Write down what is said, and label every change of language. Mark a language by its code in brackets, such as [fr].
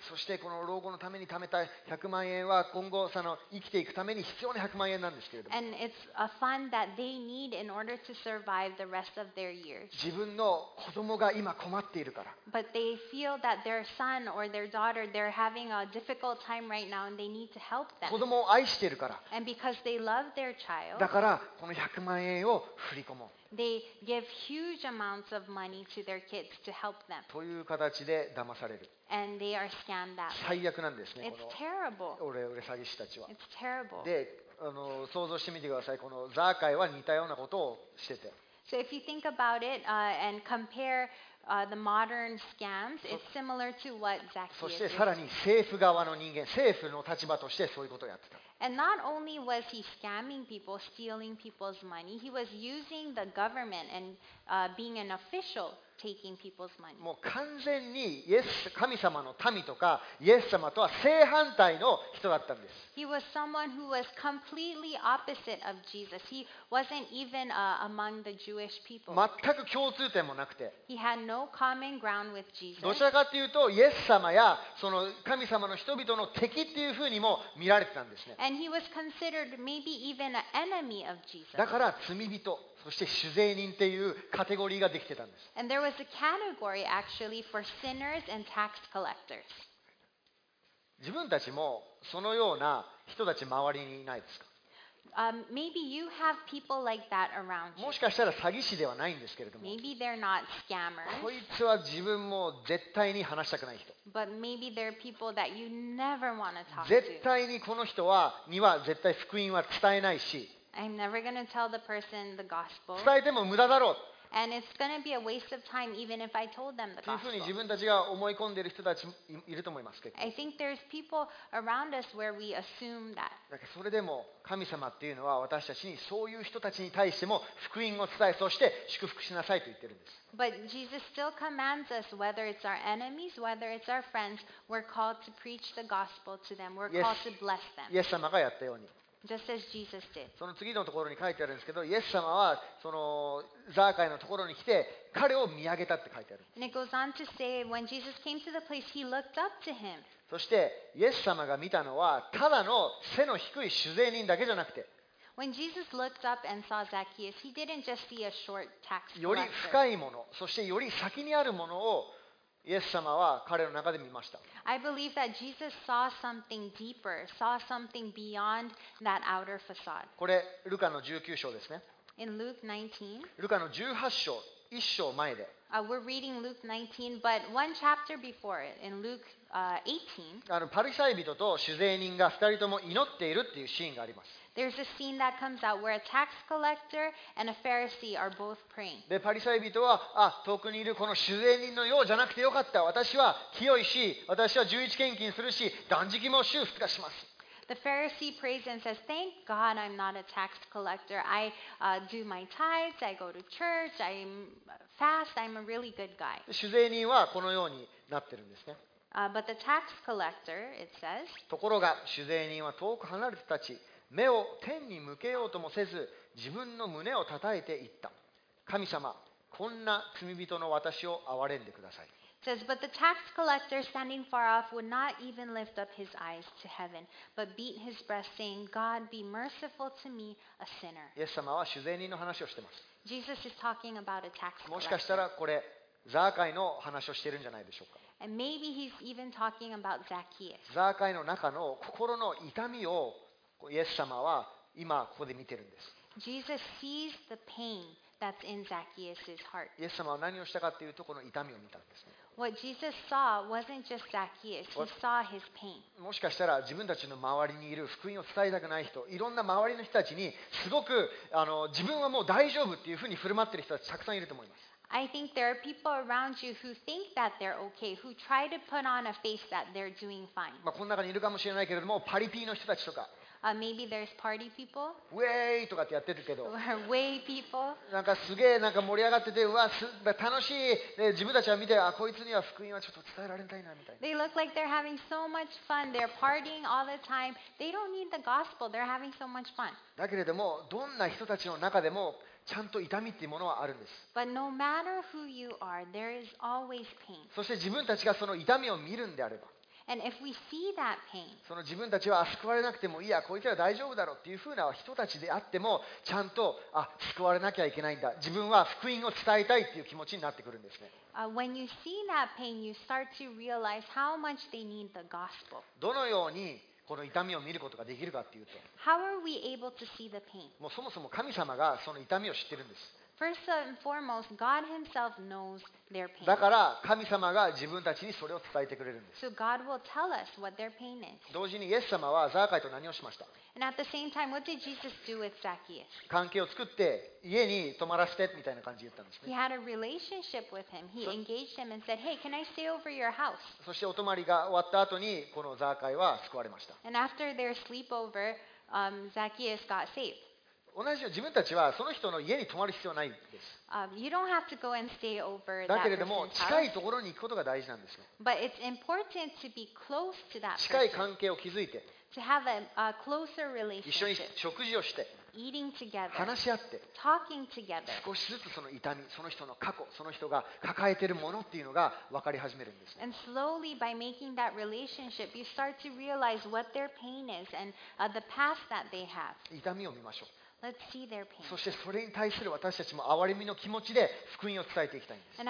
[ja] そしてこの老後のために貯めた100万円は今後その生きていくために必要な100万円なんですけれども。 [en] And it's a fund that they need in order to survive the rest of their years. [ja] 自分の子供が今困っているから。 [en] But they feel that their son or their daughter they're having a difficult time right now and they need to help them. [ja] 子供を愛しているから。 [en] And because they love their child. [ja] だからこの100万円を振り込もう。 [en] They give huge amounts of money to their kids to help them. [ja] という形で騙される。 [en] And they are scammed that. [ja] 最悪なんですね。 [en] It's terrible. [ja] オレオレ詐欺師たちは。 [en] It's terrible. [ja] で、想像してみてください。このザーカイは似たようなことをしてて。 [en] So if you think about it, and compare, the modern scams, it's similar to what Zacchaeus. [ja] そしてさらに政府側の人間、政府の立場としてそういうことをやってた。 [en] And not only was he scamming people, stealing people's money, he was using the government and being an official taking people's money. [ja] もう完全にイエス神様の民とかイエス様とは正反対の人だったんです。 [en] He was someone who was completely opposite of Jesus. He wasn't even among the Jewish people. [ja] 全く共通点もなくて。 [en] He had no common ground with Jesus. [ja] どちらかというとイエス様やその神様の人々の敵っていうふうにも見られてたんですね。 [en] And he was considered maybe even an enemy of Jesus. [ja] だから罪人。そして主税人というカテゴリーができてたんです。 [en] And there was a category actually for sinners and tax collectors. [ja] 自分たちもそのような人たち周りにいないですか？ [en] Maybe you have people like that around you. [ja] もしかしたら詐欺師ではないんですけれども。 [en] Maybe they're not scammers. [ja] こいつは自分も絶対に話したくない人。 [en] But maybe there are people that you never want to talk to. [ja] 絶対にこの人はには絶対福音は伝えないし。 [en] I'm never going to tell the person the gospel. [ja] 伝えても無駄だろう。 [en] And it's going to be a waste of time even if I told them the gospel. [ja] というふうに自分たちが思い込んでいる人たちいると思います。 [en] I think there's people around us where we assume that. [ja] それでも神様っていうのは私たちにそういう人たちに対しても福音を伝え、そして祝福しなさいと言ってるんです。 [en] But Jesus still commands us, whether it's our enemies, whether it's our friends, we're called to preach the gospel to them. We're called to bless them. [ja] イエス様がやったように。 [en] Just as Jesus did. [ja] その次のところに書いてあるんですけど、イエス様はそのザーカイのところに来て彼を見上げたって書いてあるんです。 [en] And it goes on to say, when Jesus came to the place, he looked up to him. [ja] そしてイエス様が見たのはただの背の低い主税人だけじゃなくて、 [en] When Jesus looked up and saw Zacchaeus, he didn't just see a short tax collector. [ja] より深いもの、そしてより先にあるものをイエス様は彼の中で見ました。 [en] I believe that Jesus saw something deeper, saw something beyond that outer facade. [ja] これルカの19章ですね。 [en] In Luke 19. [ja] ルカの18章、1章前で。 [en] We're reading Luke 19, but one chapter before it, in Luke 18. [ja] あのパリサイ人と主税人が二人とも祈っているっていうシーンがあります。 [en] There's a scene that comes out where a tax collector and a Pharisee are both praying. [ja] で、パリサイ人は、あ、遠くにいるこの主税人のようじゃなくてよかった。私は清いし、私は十一献金するし、断食も週二日します。 [en] The Pharisee prays and says, "Thank God, I'm not a tax collector. I do my tithes. I go to church. I'm fast. I'm a really good guy." [ja] 主税人はこのようになってるんですね。 [en] But the tax collector, it says. [ja] ところが主税人は遠く離れて立ち。目を天に向けようともせず、自分の胸を叩いていった。神様、こんな罪人の私を憐れんでください。 [en] It says, but the tax collector, standing far off, would not even lift up his eyes to heaven, but beat his breast, saying, "God, be merciful to me, a sinner." [ja] イエス様は主税人の話をしています。 [en] Jesus is talking about a tax collector. [ja] もしかしたらこれザーカイの話をしているんじゃないでしょうか。 [en] And maybe he's even talking about Zacchaeus. [ja] ザーカイの中の心の痛みをイエス様は今ここで見てるんです。 [en] Jesus sees the pain that's in Zacchaeus's heart. [ja] イエス様は何をしたかというとこの痛みを見たんです。 [en] What Jesus saw wasn't just Zacchaeus. He saw his pain. [ja] もしかしたら自分たちの周りにいる福音を伝えたくない人、いろんな周りの人たちにすごく自分はもう大丈夫っていうふうに振る舞ってる人たちたくさんいると思います。 [en] I think there are people around you who think that they're okay, who try to put on a face that they're doing fine. [ja] まあこの中にいるかもしれないけれども、パリピーの人たちとか。 [en] Maybe there's party people. [ja] ウェイとかってやってるけど。 [en] ウェイ people. [ja] なんかすげえなんか盛り上がってて、うわす楽しい。自分たちは見て、あこいつには福音はちょっと伝えられたいなみたいな。 [en] They look like they're having so much fun. They're partying all the time. They don't need the gospel. They're having so much fun. [ja] だけれどもどんな人たちの中でもちゃんと痛みっていうものはあるんです。 [en] But no matter who you are, there is always pain. [ja] そして自分たちがその痛みを見るんであれば。 [en] And if we see that pain, [ja] その自分たちは救われなくてもいいや、こいつら大丈夫だろうっていうふうな人たちであっても、ちゃんとあ救われなきゃいけないんだ。自分は福音を伝えたいっていう気持ちになってくるんですね。 [en] When you see that pain, you start to realize how much they need the gospel. [ja] どのようにこの痛みを見ることができるかっていうと、 [en] How are we able to see the pain? [ja] もうそもそも神様がその痛みを知ってるんです。 [en] First and foremost, God Himself knows their pain. [ja] だから神様が自分たちにそれを伝えてくれるんです。 [en] So God will tell us what their pain is. [ja] 同時にイエス様はザーカイと何をしました？ [en] And at the same time, what did Jesus do with Zacchaeus? [ja] 関係を作って家に泊まらせてみたいな感じで言ったんですね。 [en] He had a relationship with him. He engaged him and said, "Hey, can I stay over your house?" [ja] そしてお泊まりが終わった後にこのザーカイは救われました。 [en] And after their sleepover, Zacchaeus got saved. [ja] 同じように自分たちはその人の家に泊まる必要はないんです。 [en] You don't have to go and stay over that person's house. [ja] だけれども近いところに行くことが大事なんですよ。 [en] But it's important to be close to that person. [ja] 近い関係を築いて。 [en] To have a closer relationship. [ja] 一緒に食事をして。 [en] Eating together. [ja] 話し合って。 [en] Talking together. [ja] 少しずつその痛み、その人の過去、その人が抱えているものっていうのが分かり始めるんです。 [en] And slowly by making that relationship, you start to realize what their pain is and the past that they have. [ja] 痛みを見ましょう。 [en] Let's see their pain. [ja] そしてそれに対する私たちも憐れみの気持ちで福音を伝えていきたいんです。